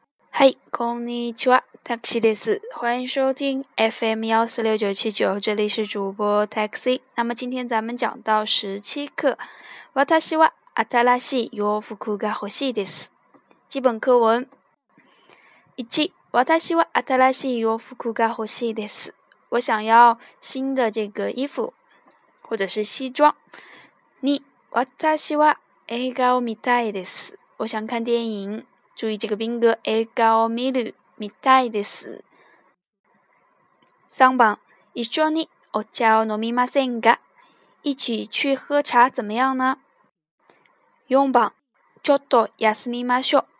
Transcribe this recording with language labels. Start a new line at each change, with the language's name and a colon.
Chinese: 嗨，
Japanese: こんにちは、タクシーです。
Chinese: 欢迎收听 FM 146979，这里是主播 Taxi。那么今天咱们讲到17课。
Japanese: 私は新しい洋服が欲しいです。
Chinese: 基本课文。
Japanese: 1、私は新しい洋服が欲しいです。
Chinese: 我想要新的这个衣服或者是西装。
Japanese: 2、私は映画を見たいです。
Chinese: 我想看电影。注意这个宾格，
Japanese: 映画を見る、見たいです。 3番、一緒にお茶を飲みませんか？
Chinese: 一起去喝茶怎么样呢？
Japanese: 4番、ちょっと休みましょう。